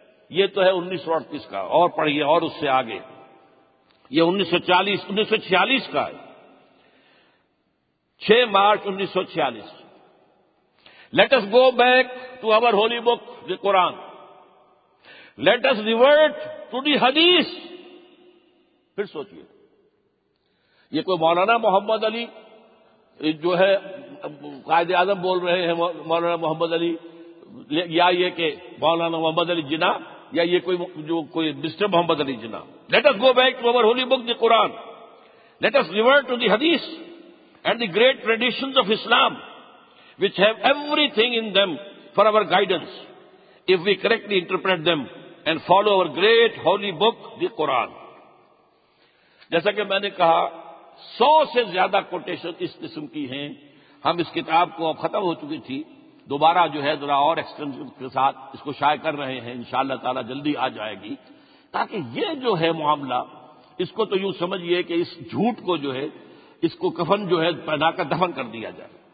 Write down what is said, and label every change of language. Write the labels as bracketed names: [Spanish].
[Urdu] Ye to hai 1938 ka, aur padhiye aur usse aage. Ye 1946 ka hai. [English] 6 March 1946. Let us go back to our holy book, the Quran. Let us revert to the hadith. [Urdu] پھر سوچئے یہ کوئی مولانا محمد علی جو ہے قائد اعظم بول رہے ہیں مولانا محمد علی یا یہ کہ مولانا محمد علی جنا یا یہ کوئی جو کوئی مسٹر محمد علی جنا [English] Let us go back to our holy book the Quran. Let us revert to the hadith and the great traditions of Islam which have everything in them for our guidance if we correctly interpret them and follow our great holy book the Quran. [Urdu] جیسا کہ میں نے کہا 100 سے زیادہ quotation اس قسم کی ہیں ہم اس کتاب کو اب ختم ہو چکی تھی دوبارہ جو ہے ذرا اور ایکسٹینشن کے ساتھ اس کو شائع کر رہے ہیں انشاءاللہ تعالی جلدی آ جائے گی تاکہ یہ جو ہے معاملہ اس کو تو یوں سمجھئے کہ اس جھوٹ کو جو ہے اس کو کفن جو ہے پہنا کر دفن کر دیا جائے